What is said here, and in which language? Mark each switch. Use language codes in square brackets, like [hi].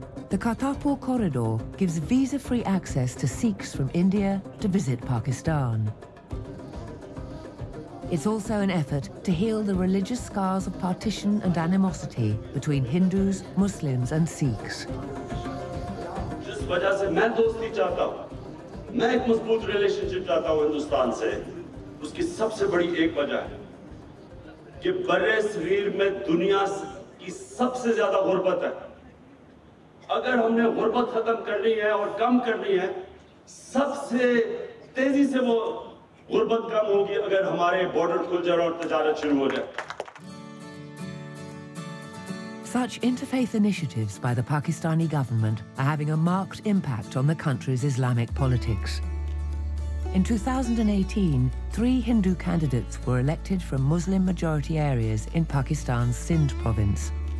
[en] The Kartarpur corridor gives visa-free access to Sikhs from India to visit Pakistan. It's also an effort to heal the religious scars of partition and animosity between Hindus, Muslims, and Sikhs. [ur] جس وجہ سے میں دوستی چاہتا ہوں میں ایک مضبوط ریلیشن شپ چاہتا ہوں ہندوستان سے اس کی سب سے بڑی ایک وجہ ہے کہ برے صغیر میں دنیا کی سب سے زیادہ غربت ہے اگر ہم نے غربت ختم کرنی ہے اور کم کرنی ہے سب سے تیزی سے وہ غربت کم ہوگی اگر ہمارے بارڈر کھل جائے اور تجارت شروع ہو جائے [en] Such interfaith initiatives by the Pakistani government are having a marked impact on the country's Islamic politics. In 2018, three Hindu candidates were elected from Muslim-majority areas in Pakistan's Sindh province.